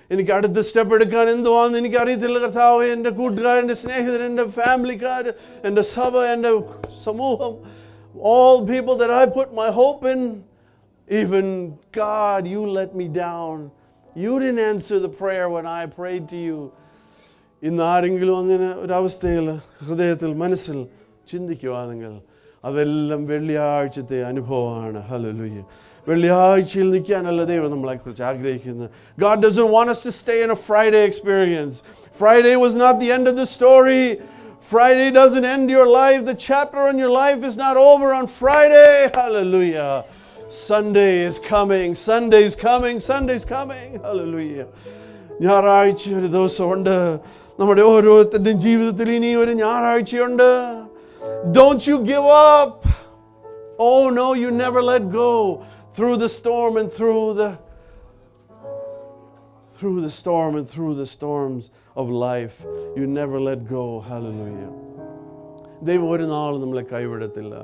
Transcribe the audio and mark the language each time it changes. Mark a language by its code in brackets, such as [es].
[ml] എനിക്ക് അടുത്ത സ്റ്റെപ്പ് എടുക്കാൻ എന്തുവാന്ന് എനിക്കറിയത്തില്ല കർത്താവ്. എൻ്റെ കൂട്ടുകാർ, എൻ്റെ സ്നേഹിതർ, എൻ്റെ ഫാമിലിക്കാർ, എൻ്റെ സഭ, എൻ്റെ സമൂഹം, [en] all people that I put my hope in, even God, you let me down. You didn't answer the prayer when I prayed to you. [ml] ഇന്ന് ആരെങ്കിലും അങ്ങനെ ഒരവസ്ഥയിൽ ഹൃദയത്തിൽ മനസ്സിൽ ചിന്തിക്കുവാണെങ്കിൽ അതെല്ലാം വെള്ളിയാഴ്ചത്തെ അനുഭവമാണ്. ഹല്ലേലൂയ. വെള്ളിയാഴ്ചയിൽ നിൽക്കാനല്ല ദൈവം നമ്മളെക്കുറിച്ച് ആഗ്രഹിക്കുന്നത്. [en] God doesn't want us to stay in a Friday experience. Friday was not the end of the story. Friday doesn't end your life. The chapter on your life is not over on Friday. Hallelujah. Sunday is coming. Sunday is coming. Sunday is coming. Hallelujah. [ml] ഞായറാഴ്ച ഒരു ദിവസമുണ്ട്. നമ്മുടെ ഓരോരുത്തരുടെയും ജീവിതത്തിൽ ഇനി ഒരു ഞായറാഴ്ചയുണ്ട്. [en] Don't you give up. Oh no, you never let go through the storm and through the storms of life. You never let go. Hallelujah. [ml] ദൈവം ഒരു നാളും നമ്മളെ കൈവിടത്തില്ല.